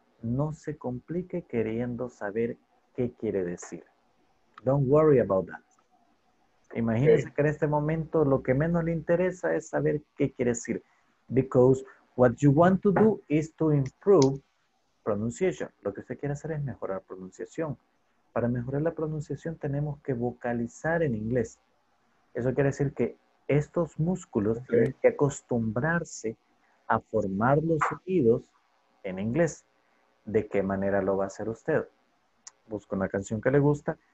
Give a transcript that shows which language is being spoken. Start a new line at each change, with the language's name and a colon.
Spanish: No se complique queriendo saber qué quiere decir.
English: Don't worry about that.
Spanish: Imagínese que en este momento lo que menos le interesa es saber qué quiere decir.
English: Because what you want to do is to improve pronunciation.
Spanish: Lo que usted quiere hacer es mejorar pronunciación. Para mejorar la pronunciación tenemos que vocalizar en inglés. Eso quiere decir que estos músculos tienen que acostumbrarse a formar los sonidos en inglés. ¿De qué manera lo va a hacer usted? Busca una canción que le gusta.